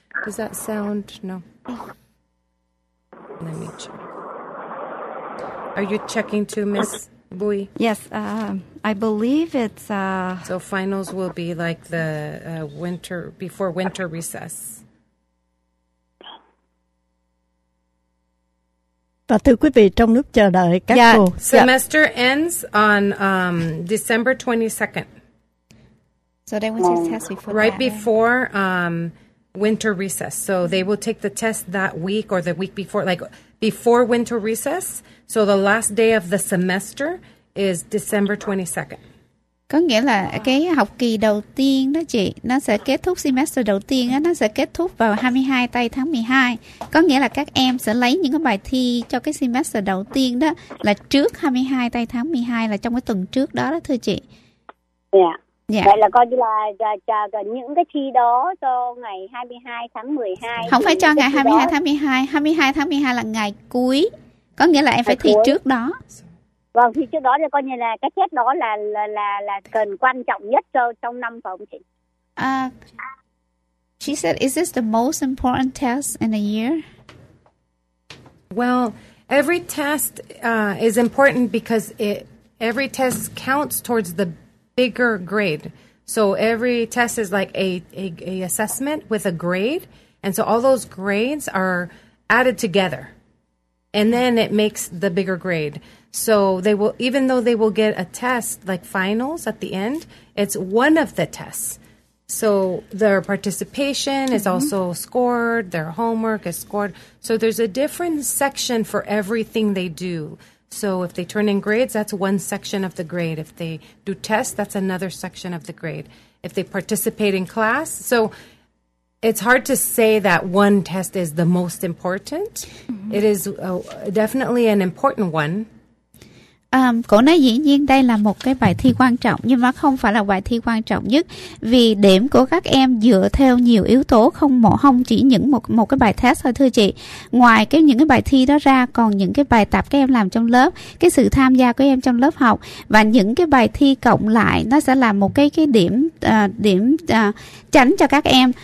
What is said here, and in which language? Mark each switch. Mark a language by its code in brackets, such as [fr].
[en] Does that sound... No. Let me check. Are you checking too, Miss Bui? Yes, I believe it's... So finals will be like the winter, before winter recess. [vi] Và thưa quý vị, trong lúc chờ đợi các cô. [en] Semester ends on December 22nd. So they will take the test before right before winter recess. So they will take the test that week or the week before, like before winter recess. So the last day of the semester is December 22nd. [vi] Có nghĩa là cái học kỳ đầu tiên đó chị, nó sẽ kết thúc, semester đầu tiên đó, nó sẽ kết thúc vào 22 tây tháng 12. Có nghĩa là các em sẽ lấy những cái bài thi cho cái semester đầu tiên đó là trước 22 tây tháng 12, là trong cái tuần trước đó đó thưa chị. Dạ. Vậy là coi như là chờ những cái thi đó cho ngày 22 tháng 12. Không phải cho ngày 22 tháng 12, 22 tháng 12 là ngày cuối. Có nghĩa là em phải thi trước đó. Vâng, thì trước đó thì coi như là cái test đó là cần quan trọng nhất cho trong năm phải không chị? [en] She said, is this the most important test in a year? Well, every test is important because every test counts towards the bigger grade. So every test is like a assessment with a grade. And so all those grades are added together. And then it makes the bigger grade. So they will, even though they will get a test like finals at the end, it's one of the tests. So their participation is also scored, their homework is scored. So there's a different section for everything they do. So if they turn in grades, that's one section of the grade. If they do tests, that's another section of the grade. If they participate in class, so it's hard to say that one test is the most important. Mm-hmm. It is definitely an important one. [vi] Cô nói dĩ nhiên đây là một cái bài thi quan trọng, nhưng mà không phải là bài thi quan trọng nhất, vì điểm của các em dựa theo nhiều yếu tố, không chỉ những một cái bài test thôi thưa chị. Ngoài cái những cái bài thi đó ra, còn những cái bài tập các em làm trong lớp, cái sự tham gia của em trong lớp học, và những cái bài thi cộng lại, nó sẽ là một cái điểm chánh cho các em.